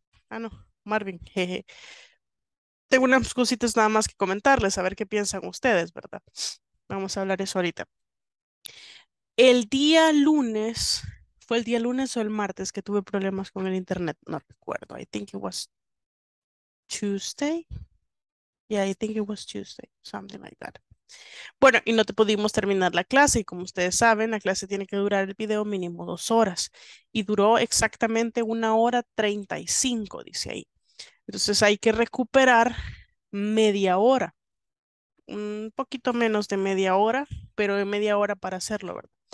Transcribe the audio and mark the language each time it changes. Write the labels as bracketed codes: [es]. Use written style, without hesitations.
[es] Ah, no, Marvin, jeje. Tengo unas cositas nada más que comentarles, a ver qué piensan ustedes, ¿verdad? Vamos a hablar eso ahorita. El día lunes, ¿fue el día lunes o el martes que tuve problemas con el internet? No recuerdo. [en] I think it was Tuesday. Yeah, I think it was Tuesday, something like that. [es] Bueno, y no te pudimos terminar la clase, y como ustedes saben, la clase tiene que durar el video mínimo 2 horas, y duró exactamente 1 hora 35, dice ahí. Entonces hay que recuperar media hora, un poquito menos de media hora, pero de media hora para hacerlo, ¿verdad?